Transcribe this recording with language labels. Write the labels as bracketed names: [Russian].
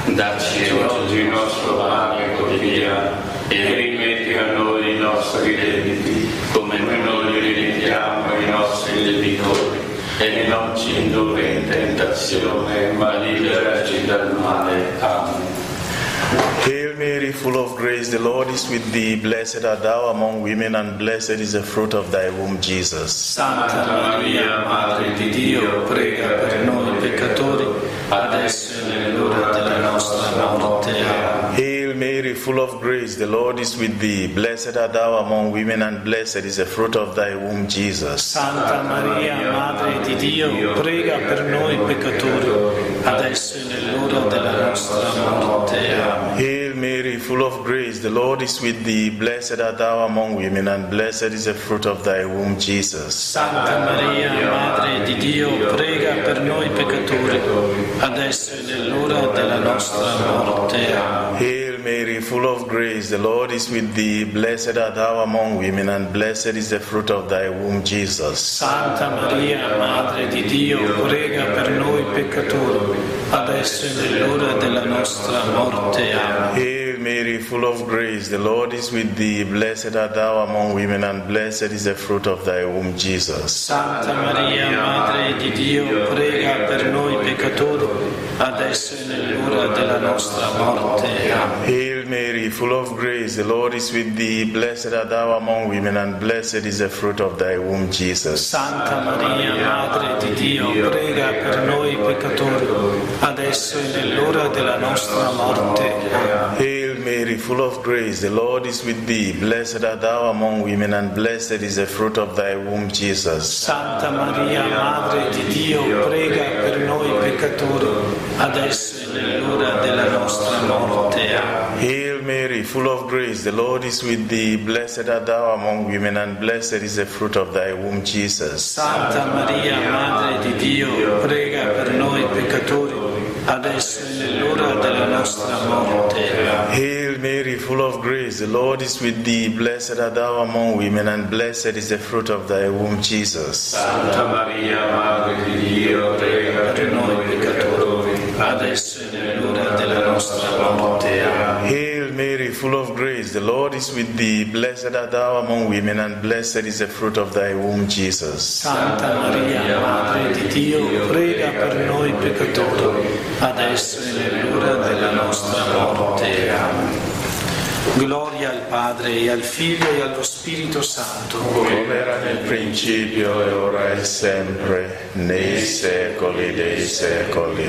[Italian] Dacci oggi il nostro pane quotidiano, e rimetti a noi i nostri debiti, come noi li rimettiamo ai nostri debitori. e non ci indurre in tentazione, ma liberaci dal male. Amen. [English] Hail Mary, full of grace, the Lord is with thee. Blessed art thou among women, and blessed is the fruit of thy womb, Jesus. [Italian] Santa Maria, Madre di Dio, prega per noi peccatori, adesso e nell'ora della nostra morte. Amen. [English] Hail Mary, full of grace, the Lord is with thee. Blessed art thou among women, and blessed is the fruit of thy womb, Jesus. [Italian] Santa Maria, Madre di Dio, prega per noi peccatori, adesso e nell'ora della nostra morte. Amen. [English] Hail Mary, full of grace, the Lord is with thee. Blessed art thou among women, and blessed is the fruit of thy womb, Jesus. [Italian] Santa Maria, Madre di Dio, prega per noi peccatori, adesso e nell'ora della nostra morte. Amen. [English] Hail Mary, full of grace, the Lord is with thee. Blessed art thou among women, and blessed is the fruit of thy womb, Jesus. [Italian] Santa Maria, Madre di Dio, prega per noi peccatori, adesso e nell'ora della nostra morte. Amen. [English] Hail Mary, full of grace, the Lord is with thee. Blessed art thou among women, and blessed is the fruit of thy womb, Jesus. [Italian] Santa Maria, Madre di Dio, prega per noi peccatori, adesso e nell'ora della nostra morte. Amen. [English] Hail Mary, full of grace, the Lord is with thee. Blessed art thou among women, and blessed is the fruit of thy womb, Jesus. [Italian] Santa Maria, Madre di Dio, prega per noi peccatori, adesso e nell'ora della nostra morte. Amen. [English] Hail Mary, full of grace, the Lord is with thee. Blessed art thou among women, and blessed is the fruit of thy womb, Jesus. [Italian] Santa Maria, Madre di Dio, prega per noi peccatori, adesso e nell'ora della nostra morte. Amen. [English] Hail Mary, full of grace, the Lord is with thee. Blessed art thou among women, and blessed is the fruit of thy womb, Jesus. [Italian] Santa Maria, Madre di Dio, prega per noi peccatori, adesso e nell'ora della nostra morte. Amen. [English] Hail Mary, full of grace, the Lord is with thee. Blessed art thou among women, and blessed is the fruit of thy womb, Jesus. [Italian] Santa Maria, Madre di Dio, prega per noi peccatori, adesso e nell'ora della nostra morte. Amen. [English] Hail Mary, full of grace, the Lord is with thee. Blessed art thou among women, and blessed is the fruit of thy womb, Jesus. [Italian] Santa Maria, Madre di Dio, prega per noi peccatori, adesso e nell'ora della nostra morte. Amen. Gloria al Padre, e al Figlio, e allo Spirito Santo, come era nel principio, e ora e sempre, nei secoli dei secoli.